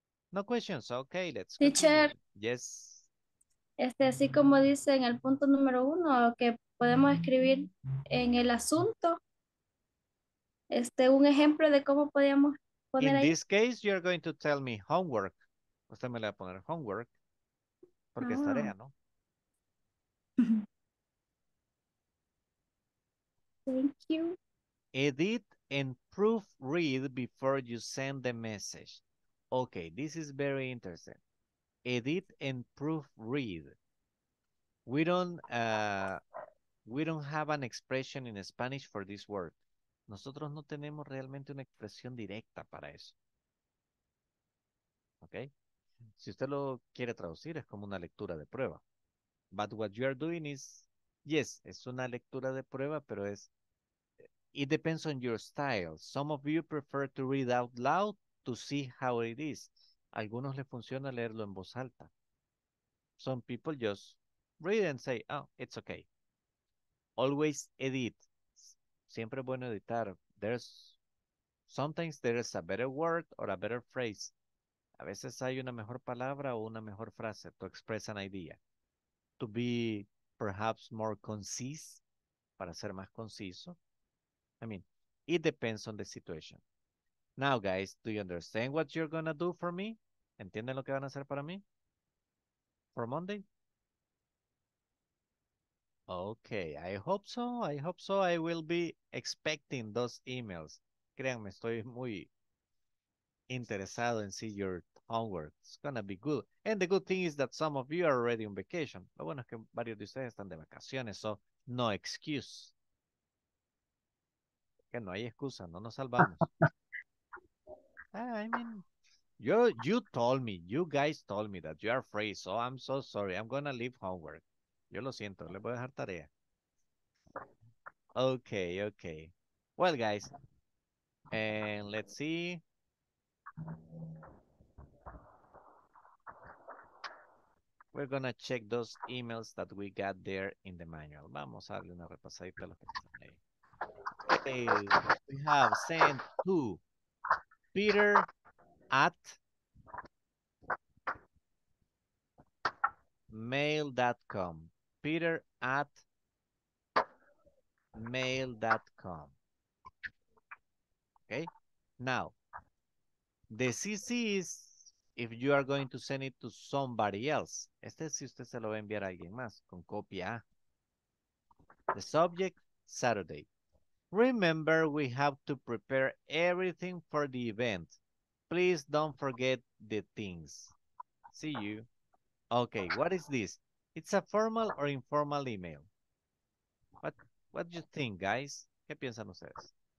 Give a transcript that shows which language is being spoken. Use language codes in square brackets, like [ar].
[en] No questions. Okay, let's go. Teacher. Yes. [es] Así como dice en el punto número uno, que podemos escribir en el asunto un ejemplo de cómo podíamos poner [en] ahí. In this case, you're going to tell me homework. [es] Usted me le va a poner homework porque es tarea, ¿no? [en] Thank you. Edit and proofread before you send the message. Okay, this is very interesting. Edit and proofread. We don't have an expression in Spanish for this word. [es] Nosotros no tenemos realmente una expresión directa para eso. Okay? Si usted lo quiere traducir, es como una lectura de prueba. [en] But what you are doing is, yes, [es] es una lectura de prueba, pero es, [en] it depends on your style. Some of you prefer to read out loud to see how it is. [es] Algunos les funciona leerlo en voz alta. [en] Some people just read and say, oh, it's okay. Always edit. [es] Siempre es bueno editar. [en] Sometimes there is a better word or a better phrase. [es] A veces hay una mejor palabra o una mejor frase [en] to express an idea. To be perhaps more concise, [es] para ser más conciso. [en] I mean, it depends on the situation. Now, guys, do you understand what you're going to do for me? [es] ¿Entienden lo que van a hacer para mí? [en] For Monday? Okay, I hope so. I hope so. I will be expecting those emails. [es] Créanme, estoy muy interesado en [en] see your homework. It's going to be good. And the good thing is that some of you are already on vacation. [es] Lo bueno es que varios de ustedes están de vacaciones, [en] so no excuse. [es] Que no hay excusa, no nos salvamos. [en] I mean, you told me, you guys told me that you are free, so I'm so sorry. I'm gonna leave homework. [es] Yo lo siento, le voy a dejar tarea. [en] Okay, okay. Well, guys, and let's see. We're gonna check those emails that we got there in the manual. [es] Vamos a darle una repasadita a los que están ahí. [en] Okay, we have sent to Peter at mail.com. Peter at mail.com. Okay, now the CC is if you are going to send it to somebody else. [es] Este es si usted se lo va a enviar a alguien más con copia. [en] The subject, Saturday. Remember, we have to prepare everything for the event. Please don't forget the things. See you. Okay, what is this? It's a formal or informal email. What do you think, guys? [es] ¿Qué piensan ustedes?